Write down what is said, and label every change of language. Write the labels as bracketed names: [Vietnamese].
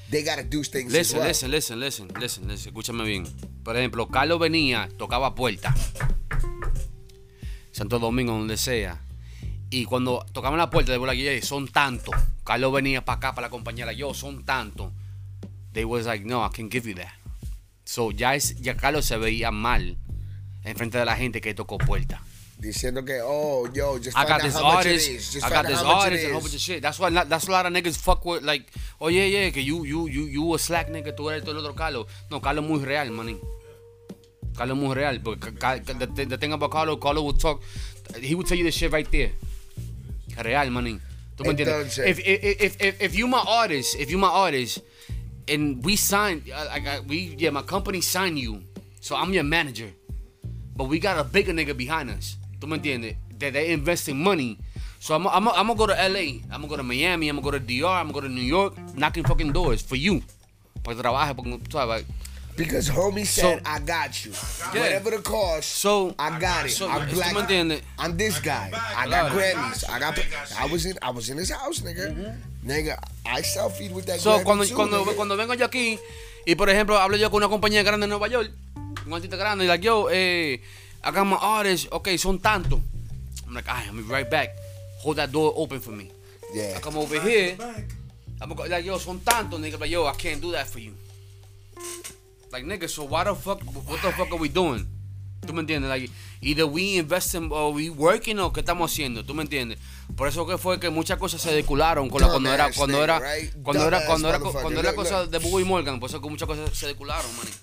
[English] They gotta do things. [Spanish] Listen. Escúchame bien. Por ejemplo, Carlos venía, tocaba puerta. Santo Domingo, donde sea. Y cuando tocaban la puerta, de like, yeah, son tantos. Carlos venía para acá, para la compañía, like, yo, son tantos. [English] They was like, no, I can't give you that. [Spanish] So, ya Carlos se veía mal en frente de la gente que tocó puerta. Diciendo que, [English] oh, yo, just find out how much it is. That's why that's a lot of niggas fuck with, like, oh, yeah, yeah, que you were slack, nigga, [Spanish] tú eres todo el otro Carlos. No, Carlos muy real, [English] money. Carlos muy real. But the thing about Carlos would talk, he would tell you the shit right there. Real, money. [Spanish] ¿Tú me entiendes? [English] If you my artist, and we sign, my company sign you, so I'm your manager, but we got a bigger nigga behind us. [Spanish] ¿Tú me entiendes? [English] They investing money, so I'm gonna go to LA, I'm gonna go to Miami, I'm gonna go to DR, I'm gonna go to New York, knocking fucking doors for you, [Spanish] para que trabaje, [English] because homie said, so, I got you. Yeah. Whatever the cost, so, I got it. So, I'm black. I'm this guy. I got Grammys. I was in his house, nigga. Mm-hmm. Nigga, I selfied with that guy. [Spanish] Cuando vengo yo aquí, y por ejemplo, hablo yo con una compañía grande en Nueva York, un artista grande, y like, yo, [English] I got my artists. [Spanish] Okay, son tanto. [English] I'm like, all right, I'll be right back. Hold that door open for me. Yeah. I come over here. Back. I'm like, yo, [Spanish] son tanto, [English] nigga. But yo, I can't do that for you. Like, nigga, so what the fuck are we doing? [Spanish] ¿Tú me entiendes? [English] Like, either we investing or we working, [Spanish] o qué estamos haciendo? ¿Tú me entiendes? Por eso que fue que muchas cosas se decularon cuando era cosa de Bobby Morgan. Por eso que muchas cosas se decularon, man.